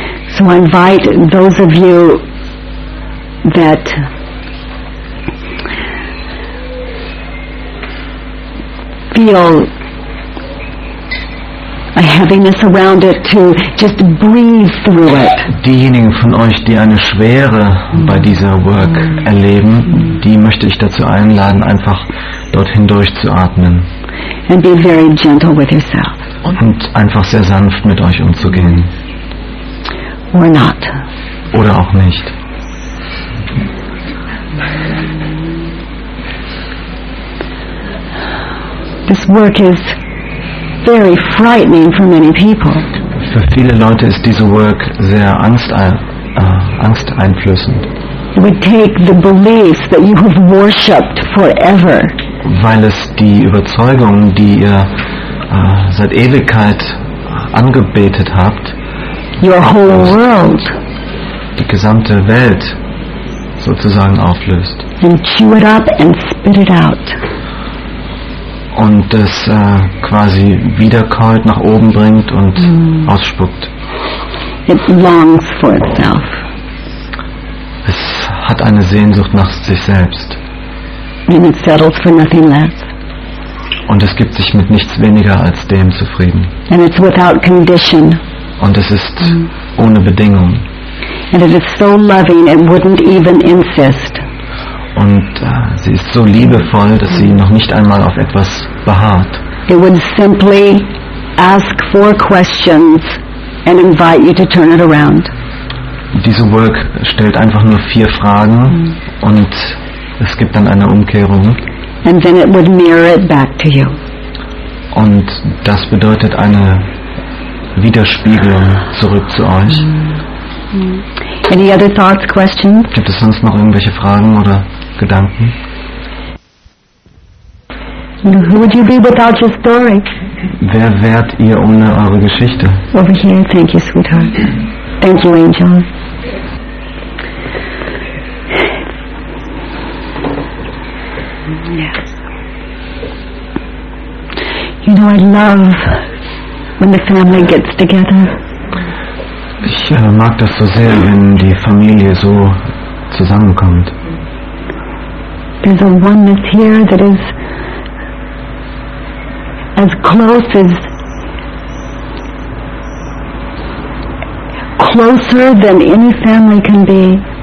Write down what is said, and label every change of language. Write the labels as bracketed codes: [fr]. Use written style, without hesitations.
[en] So I invite those of you that feel a heaviness around it to just breathe through it. [de] Diejenigen von euch, die eine Schwere bei dieser Work erleben, die möchte ich dazu einladen, einfach dorthin durchzuatmen. [en] And be very gentle with yourself. [de] Und einfach sehr sanft mit euch umzugehen. [en] Or not. [de] Oder auch nicht. [en] This work is very frightening for many people. [de] Für viele Leute ist diese Work sehr angsteinflößend. [en] It would take the belief that you have worshipped forever. [de] weil es die Überzeugung, die ihr seit Ewigkeit angebetet habt, [en] your whole world, [de] die gesamte Welt sozusagen auflöst. [en] And chew it up and spit it out. [de] Und es quasi wiederkäut, nach oben bringt und ausspuckt. [en] It longs for itself. [de] Es hat eine Sehnsucht nach sich selbst. [en] And it settles for nothing less. [de] Und es gibt sich mit nichts weniger als dem zufrieden. [en] And it's without condition. [de] Und es ist ohne Bedingung. [en] And it is so loving it wouldn't even insist. [de] Und sie ist so liebevoll, dass sie noch nicht einmal auf etwas beharrt. [en] It would simply ask four questions and invite you to turn it around. [de] Diese Work stellt einfach nur vier Fragen und es gibt dann eine Umkehrung. [en] And then it would mirror it back to you. [de] Und das bedeutet eine Widerspiegelung zurück zu euch. [en] Any other thoughts, questions? [de] Gibt es sonst noch irgendwelche Fragen oder Gedanken? [en] Who would you be without your story? [de] Wer wärt ihr ohne eure Geschichte? [en] Over here, thank you, sweetheart. Thank you, angel. Yes. You know, I love when the family gets together. [de] Ich mag das so sehr, wenn die Familie so zusammenkommt. [en] There's a oneness here that is as closer than any family can be.